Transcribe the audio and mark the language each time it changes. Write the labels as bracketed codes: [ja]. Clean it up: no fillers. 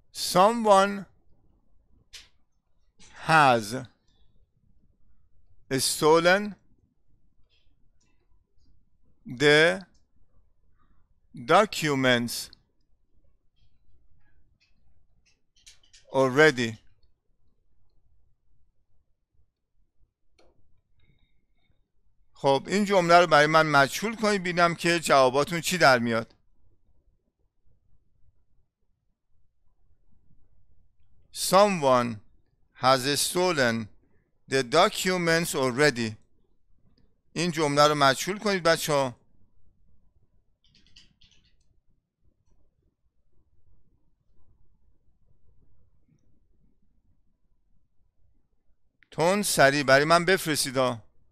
[en] Someone has stolen the documents already. [fa] خب این جمله رو برای من مجهول کنید ببینم که جواباتون چی در میاد. [en] Someone has stolen the documents already. [fa] این جمله رو مجهول کنید بچه ها. تون سریع برای من بفرستید ها.